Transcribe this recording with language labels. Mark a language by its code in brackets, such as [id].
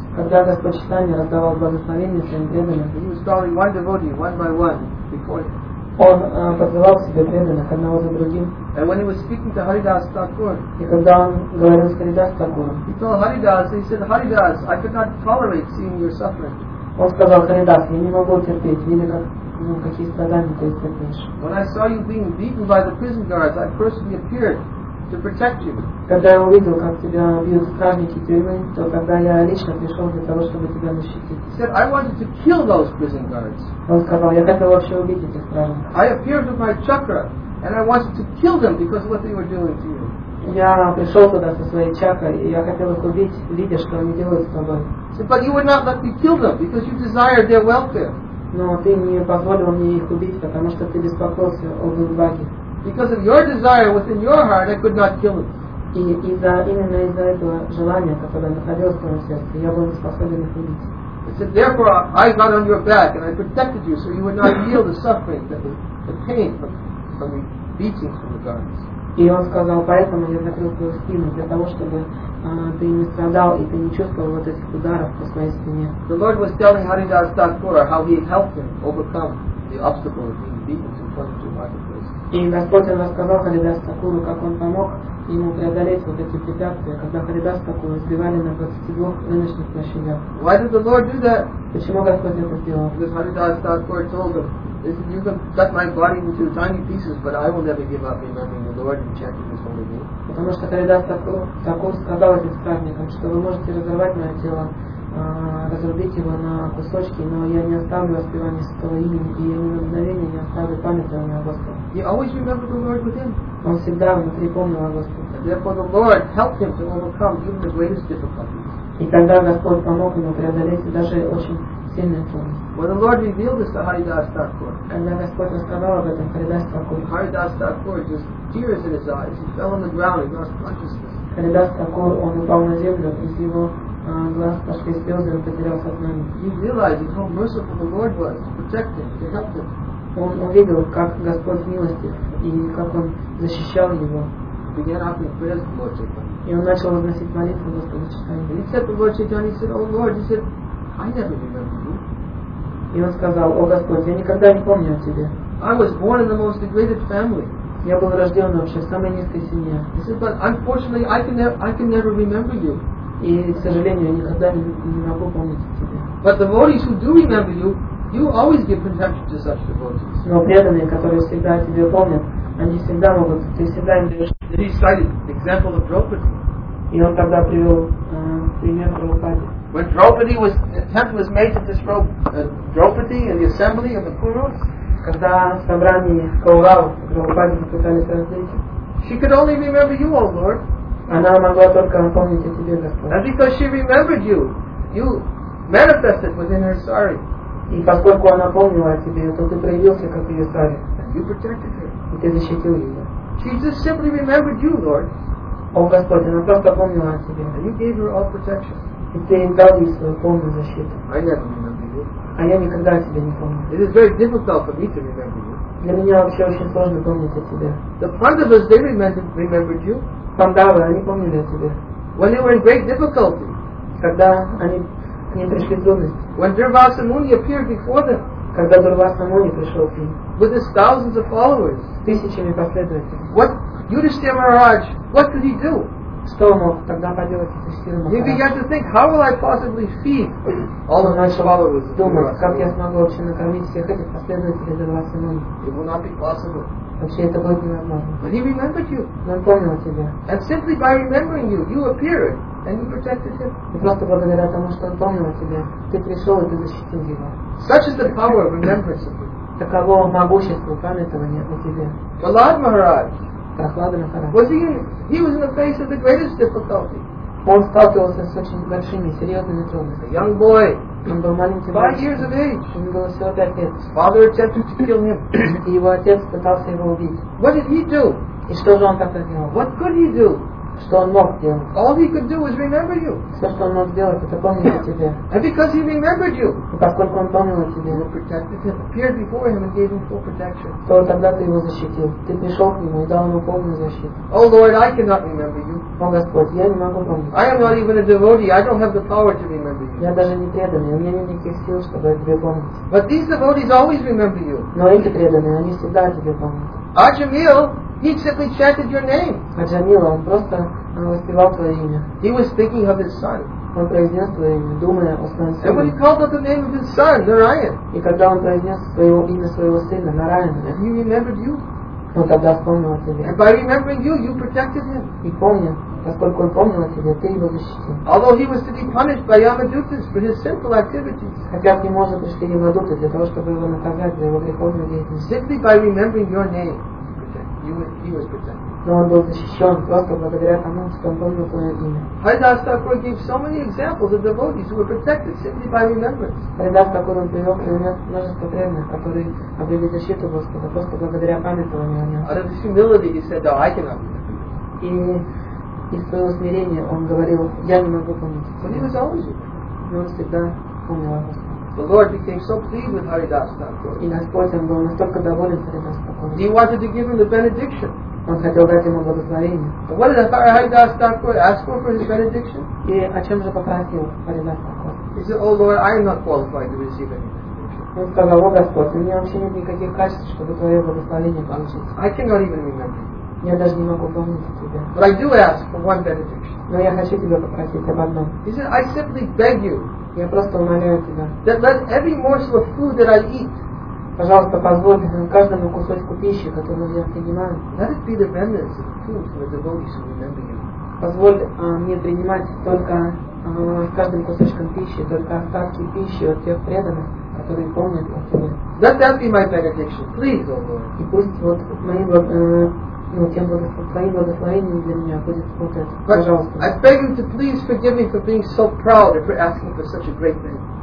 [ru] Когда Господь Читания раздавал благословения своим преданным, [en] he was calling one devotee one by one before him. [ru] Он позывал к себе преданных одного за другим. [en] And when he was speaking to Haridas Thakur, [ru] и когда он говорил с Харидас Такуром, [en] he told Haridas, he said, Haridas, I could not tolerate seeing your suffering. [ru] Он сказал, Харидас, я не могу терпеть, видя как какие страдания ты терпишь. [en] When I saw you being beaten by the prison guards, I personally appeared to protect you. [ru] Когда я увидел, как тебя бьют стражники тюрьмы, то тогда я лично пришел для того, чтобы тебя защитить. [en] He said, I wanted to kill those prison guards. [ru] Он сказал, я хотел вообще убить этих стражников. [en] I appeared with my chakra, and I wanted to kill them because of what they were doing to you. [ru] Я пришел туда со своей чакрой, и я хотел их убить, видя, что они делают с тобой. [en] Said, but you would not let me kill them because you desired their welfare. [ru] Но ты не позволил мне их убить, потому что ты беспокоился о Гудбаге. [en] Because of your desire within your heart, I could not kill it. [ru] И именно из-за этого желания, которое находилось в твоем сердце, я был не способен их убить. [en] He said, therefore, I got on your back and I protected you so you would not feel the suffering, the pain from the beating from the guards. [ru] И он сказал, поэтому я закрыл твою спину, для того, чтобы ты не страдал и ты не чувствовал вот этих ударов по своей спине. [en] The Lord was telling Haridas Thakur how he helped him overcome the obstacle of being beaten in front of the marketplace. [ru] И Господь рассказал Харидас Такуру, как он помог ему преодолеть вот эти препятствия, когда Харидас Такуру избивали на 22 рыночных площадях. [en] Why did the Lord do that? [ru] Почему Господь это сделал? [en] Because Haridas Thakur told him, listen, you can cut my body into tiny pieces, but I will never give up remembering the Lord and chanting His holy name. [ru] Потому что Харидас Такур сказал этим странникам, что вы можете разорвать мое тело, разрубить его на кусочки, но я не оставлю воспевание святого имени, и я ни на мгновение не оставлю память о нем о Господе. Он всегда внутри помнил о Господе. И тогда Господь помог ему преодолеть даже очень сильные трудности. Когда Господь рассказал об этом Харидас Такур, [en] Харидас Такур just tears in his eyes, he fell on the ground, he lost consciousness. [ru] Харидас Такур, он упал на землю, из его глаз пошли слезы, он потерял сознание. [en] He realized how merciful the Lord was to protect him, to help him. [ru] Он увидел, как Господь милостив и как он защищал его. [en] He began offering prayers to Lord Chaitanya. [ru] И он начал возносить молитву Господу Чайтанье. [en] He said to Lord Chaitanya, he said, oh Lord, he said, I never remember you. [ru] И он сказал, о Господь, я никогда не помню о тебе. [en] I was born in the most degraded family. [ru] Я был рожден вообще в самой низкой семье. [en] He said, but unfortunately, I can never remember you. [ru] И, к сожалению, я никогда не могу помнить о тебе. [en] But the devotees who do remember you, you always give protection to such devotees. [ru] Но преданные, которые всегда о тебе помнят, они всегда могут, ты всегда им даешь. [en] He cited example of Draupadi. [ru] И он тогда привел пример Драупади. [en] When Draupadi was, attempt was made to disrobe Draupadi in the assembly of the Kurus. [ru] Когда в собрании Каурау Драупади пытались разделить. [en] She could only remember you, O Lord. [ru] Она могла только напомнить о тебе, Господь. [en] And because she remembered you, you manifested within her sari. [ru] И поскольку она помнила о тебе, то ты проявился как ее сари. [en] And you protected her. [ru] И ты защитил ее. [en] She just simply remembered you, Lord. [ru] О Господь, она просто помнила о тебе. [en] And you gave her all protection. [ru] И ты им дал ей свою полную защиту. [en] I never remember you. [ru] А я никогда о тебе не помню. [en] It is very difficult for me to remember you. [ru] Для меня вообще очень сложно помнить о тебе. [en] The Pandavas, they remembered you. [ru] Пандавы, они помнили о тебе. [en] When they were in great difficulty. [ru] Когда они к ним пришли трудности. [en] When Durvasa Muni appeared before them. [ru] Когда Дурвасса Муни пришел к ним. [en] With his thousands of followers. [ru] С тысячами последователей. [en] What Yudhishthira Maharaj, what could he do? [ru] Что мог тогда поделать Yudhishthira Maharaj? [en] He began to think, how will I possibly feed all the followers? [ru] Думать, как я смогу вообще накормить всех этих последователей Дурвасса Муни. [en] It will not be possible. [ru] Вообще это будет невозможно. [en] But he remembered you. [ru] Но он помнил о тебе. [en] And simply by remembering you, you appeared and you protected him. [ru] И просто благодаря тому, что он помнил о тебе, ты пришел и ты защитил его. [en] Such is the power of remembrance of you. [ru] Таково могущество памятования о тебе. [en] Prahlad Maharaj. [ru] Prahlad Maharaj. [en] He was in the face of the greatest difficulty. [ru] Он сталкивался с очень большими, серьезными трудностями. [en] A young boy. [ru] Он был маленьким. [en] 5 years of age. [ru] Ему было всего 5 лет. [en] His father attempted to kill him. [ru] И его отец пытался его убить. [en] What did he do? [ru] И что же он тогда делал? [en] What could he do? [ru] Что он мог делать? [en] All he could do was remember you. [ru] Все, что он мог сделать, это помнить о тебе. [en] And because he remembered you. [ru] И поскольку он помнил о тебе. [en] You protected him. Appeared before him and gave him full protection. [ru] То тогда ты его защитил. Ты пришел к нему и дал ему полную защиту. [en] Oh Lord, I cannot remember you. [ru] О Господь, я не могу помнить. [en] I am not even a devotee. I don't have the power to remember you. [ru] Я даже не преданный. У меня нет никаких сил, чтобы тебе помнить. [en] But these devotees always remember you. [ru] Но эти преданные, они всегда тебе помнят. [en] Ajamil. He simply chanted your name. [ru] Аджамила, он просто воспевал твое имя. [en] He was thinking of his son. [ru] Он произнес твое имя, думая о своем сыне. [en] And when he called out the name of his son, Narayan. [ru] И когда он произнес свое имя своего сына, Нараян. [en] And he remembered you. [ru] Он тогда вспомнил о тебе. [en] And by remembering you, you protected him. [ru] И помня, поскольку он помнил о тебе, ты его защитил. [en] Although he was to be punished by Yamadutas for his sinful activities. [ru] Хотя к нему уже пришли Yamadutas для того, чтобы его наказать за его греховную деятельность. [en] Simply by remembering your name. He was protected. [ru] Но он был защищен просто благодаря тому, что он помнил твое имя. [en] Харидас Такур gave so many examples of devotees who were protected simply by remembrance. [ru] Харидас Такур привел пример множества преданных, которые обрели защиту Господа просто благодаря памятованию о нем. [en] Out of his humility, he said, "No, I cannot remember." [ru] И из своего смирения он говорил, "Я не могу помнить." [en] But he was always remembered. [ru] Он всегда помнил о Господе. [en] The Lord became so pleased with Haridas Thakur. [ru] И Господь, он был настолько доволен Харидас Такур. [en] He wanted to give him the benediction. [ru] он хотел дать ему благословение. [en] What did the Parihaidas Thakur ask for his benediction? [ru] И о чем же попросил Парихаидас Thakur? [en] He said, "Oh Lord, I am not qualified to receive anything." [ru] Он сказал: "О Господь, у меня вообще нет никаких качеств, чтобы твое благословение получить." [en] I cannot even remember. [ru] Я даже не могу помнить тебя. [en] But I do ask for one benediction. [ru] Но я хочу тебя попросить об одном. [en] He said, "I simply beg you." [ru] Я просто умоляю тебя. [en] That let every morsel of food that I eat. [ru] Пожалуйста, позволь мне каждому кусочку пищи, которую я принимаю. [en] Let it be the remnants of food for the devotees who remember you. [ru] Позволь мне принимать только каждым кусочком пищи, только остатки пищи от тех преданных, которые помнят о тебе. [en] Let that be my benediction, please, O Lord. [ru] И пусть вот моим твоим благословением для меня будет вот это. Пожалуйста. [en] I beg you to please forgive me for being so proud and for asking for such a great thing.